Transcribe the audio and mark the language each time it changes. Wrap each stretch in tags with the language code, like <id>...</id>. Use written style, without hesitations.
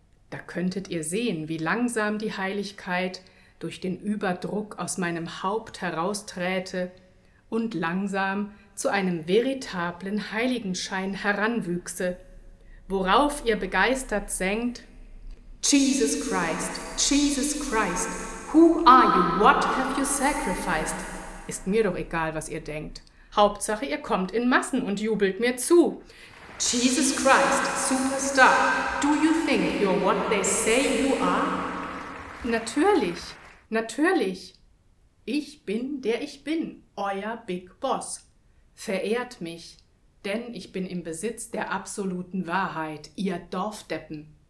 <de>Da könntet ihr sehen, wie langsam die Heiligkeit durch den Überdruck aus meinem Haupt herausträte und langsam zu einem veritablen Heiligenschein heranwüchse, worauf ihr begeistert sängt:</de> <en>Jesus Christ, Jesus Christ, who are you, what have you sacrificed?</en> <de>Ist mir doch egal, was ihr denkt. Hauptsache, ihr kommt in Massen und jubelt mir zu.</de> <en>Jesus Christ, Superstar, do you think you're what they say you are?</en> <de>Natürlich, natürlich. Ich bin, der ich bin, euer Big Boss. Verehrt mich, denn ich bin im Besitz der absoluten Wahrheit, ihr Dorfdeppen.</de>